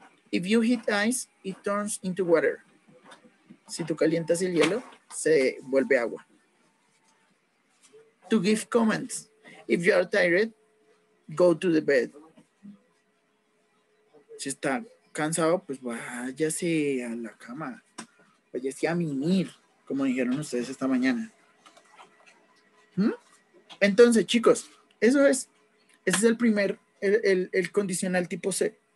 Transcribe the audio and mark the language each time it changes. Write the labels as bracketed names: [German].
[English] If you hit ice, it turns into water. [Spanish] Si tú calientas el hielo, se vuelve agua. [English] To give comments. If you are tired, go to the bed. [Spanish] Si está cansado, pues váyase a la cama. Váyase a mimir, como dijeron ustedes esta mañana. ¿Mm? Entonces, chicos, eso es. Ese es el primer, el condicional tipo C.